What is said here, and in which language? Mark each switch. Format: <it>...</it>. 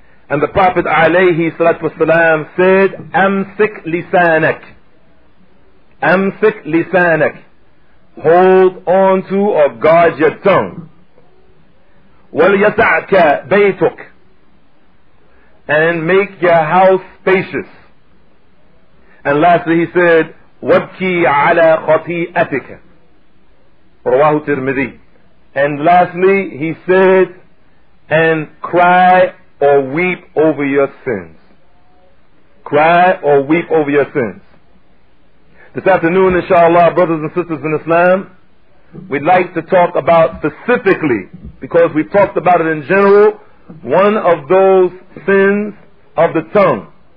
<en>And the Prophet alayhi salatu wasalam said,</en> <ar>amsik lisanak, amsik lisanak,</ar> <en>hold on to or guard your tongue.</en> <ar>Wal yasa'ka baytuk,</ar> <en>and make your house spacious. And lastly he said,</en> <ar>وَبْكِي عَلَىٰ خَطِيئَتِكَ, رواه ترمذي.</ar> <en>And lastly he said, and cry or weep over your sins. Cry or weep over your sins. This afternoon, inshallah, brothers and sisters in Islam, we'd like to talk about specifically, because we talked about it in general, one of those sins of the tongue.</en>